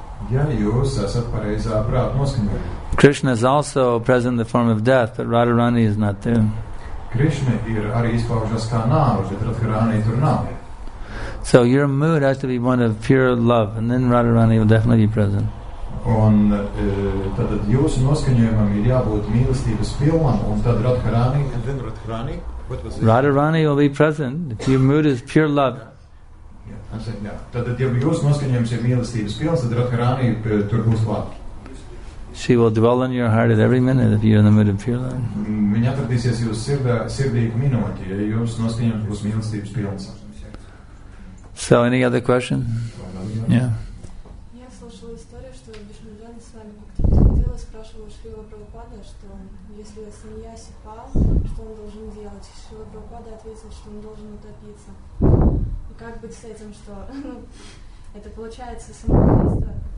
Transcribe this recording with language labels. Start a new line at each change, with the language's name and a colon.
Latvian: Ja jūs esat pareizā prāta noskaņā.
English: Krishna is also present in the form of death, but Radharani is not there.
Latvian: Krishna ir arī izpaužas kā nāve, bet Radharani tur nav.
English: So your mood has to be one of pure love, and then Radharani will definitely be present.
Latvian: Un tad jūsu noskaņojumam ir jābūt mīlestības pilnam, un tad Radharani,
English: and then Radharani, Radharani will be present if your mood is pure love.
Latvian: Tad ja jūsu noskaņojums ir mīlestības pilns, tad Radharani tur būs labi.
English: She will dwell in your heart at every minute if you are in the mood of pure love.
Latvian: Viņa atradīsies jūs sirdīgu minūti, ja jūs noskaņojums būs mīlestības pilns.
English: So, any other question? Yeah.
Russian: Я слышала историю, что Бишмиджан с вами как-то дело спрашивал Шрила Прабхупада, что если саньяси пал, что он должен делать? И Шрила Прабхупада ответил, что он должен утопиться. И как быть с этим, что это получается самоубийство?